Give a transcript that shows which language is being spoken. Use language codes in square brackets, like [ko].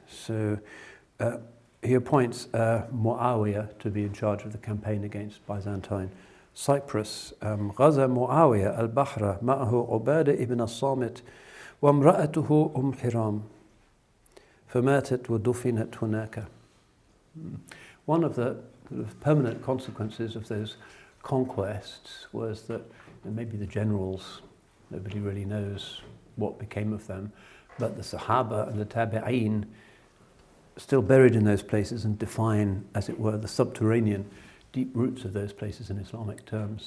[en] So he appoints Muawiyah to be in charge of the campaign against Byzantine Cyprus. [ar] غزا معاوية البحر معه عبادة ابن الصامت وامرأته أم حرام فَمَاتَتْ وَدُفِنَتْ هُنَاكَ. [en] One of the sort of permanent consequences of those conquests was that maybe the generals, nobody really knows what became of them, but the Sahaba and the Tabi'in still buried in those places and define, as it were, the subterranean deep roots of those places in Islamic terms.